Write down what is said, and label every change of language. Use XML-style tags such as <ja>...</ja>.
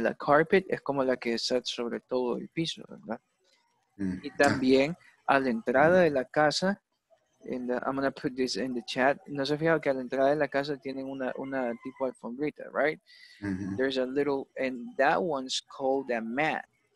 <es>La carpet es como la que está sobre todo el piso, ¿verdad? Y también a la entrada de la casa.</es> <en>I'm going to put this in the chat.</en> <es>No se fijan que a la entrada de la casa tienen una tipo alfombrita, right? Mm-hmm.</es> <en>There's a little, and that one's called a mat.</en>